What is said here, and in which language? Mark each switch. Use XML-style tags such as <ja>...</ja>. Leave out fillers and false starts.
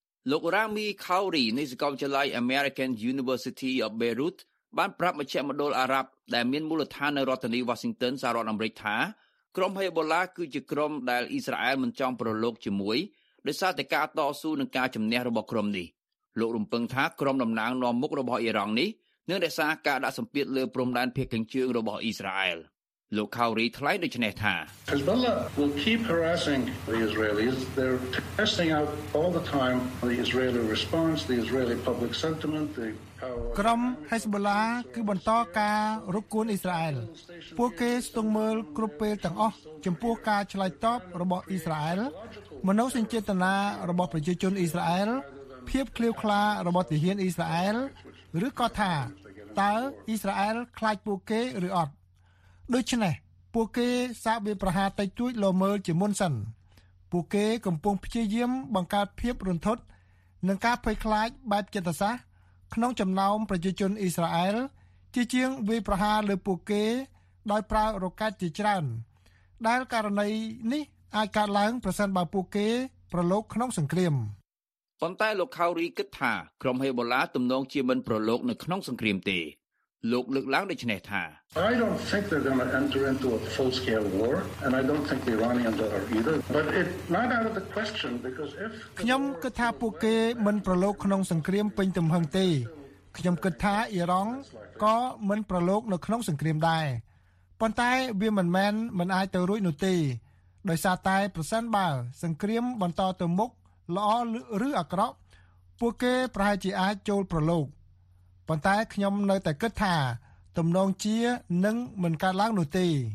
<km>លោករ៉ាមីខោរីនៃសាកលវិទ្យាល័យ American University of Beirut បានប្រាប់មជ្ឈមណ្ឌលអារ៉ាប់ដែលមានមូលដ្ឋាននៅរដ្ឋធានី Washington សហរដ្ឋអាមេរិកថាក្រុមហេបូឡាគឺជាក្រុមដែលអ៊ីស្រាអែលមិនចង់ប្រឡូកជាមួយដោយសារតែការតស៊ូនិងការជំនះរបស់ក្រុមនេះលោករំពឹងថាក្រុមតំណាងនាំមុខរបស់អ៊ីរ៉ង់នេះនឹងរក្សាការដាក់សម្ពាធលើព្រំដែនភាគខាងជើងរបស់អ៊ីស្រាអែលលោកខោរីថ្លែងដូចនេះថា</km> <en>Hezbollah will keep harassing the Israelis. They're testing out all the time the Israeli response, the Israeli public sentiment, the power.</en> <km>ក្រុម Hezbollah គឺបន្តការរុករានអ៊ីស្រាអែលពួកគេស្ទង់មើលគ្រប់ពេលទាំងអស់ចំពោះការឆ្លើយតបរបស់អ៊ីស្រាអែលមនោសញ្ចេតនារបស់ប្រជាជនអ៊ីស្រាអែលភាពឃ្លាវឆ្លាតរបស់ទាហានអ៊ីស្រាអែលឬក៏ថាតើអ៊ីស្រាអែលខ្លាចពួកគេឬអត់ ដូច្នេះពួកគេសាកវាប្រហារតែជួយលមើលជាមុនសិនពួកគេកំពុងព្យាយាមបង្កើតភាពរន្ធត់និងការភ័យខ្លាចបែបចិត្តសាស្ត្រក្នុងចំណោមប្រជាជនអ៊ីស្រាអែលជាជាងវាប្រហារលើពួកគេដោយប្រើរ៉ុកកែតជាច្រើនដែលករណីនេះអាចកើតឡើងប្រសិនបើពួកគេប្រឡូកក្នុងសង្គ្រាម ប៉ុន្តែលោកខោរីគិតថាក្រុមហេបូឡាទំនងជាមិនប្រឡូកនៅក្នុងសង្គ្រាមទេលោកលើកឡើងដូចនេះថា</km> <en>I don't think they're going to enter into a full scale war and I don't think the Iranians are either but it's not out of the question because if</en> <km>ខ្ញុំគិតថាពួកគេមិនប្រឡូកក្នុងសង្គ្រាមពេញទំហឹងទេខ្ញុំគិតថាអ៊ីរ៉ង់ក៏មិនប្រឡូកនៅក្នុងសង្គ្រាមដែរប៉ុន្តែវាមិនមែនមិនអាចទៅរួចនោះទេដោយសារតែប្រសិនបើសង្គ្រាមបន្តទៅមុខល្អឬអាក្រក់ពួកគេប្រហែលជាអាចចូលប្រឡូកប៉ុន្តែខ្ញុំនៅតែគិតថាទំនងជានឹងមិនកើតឡើងនោះទេ</km>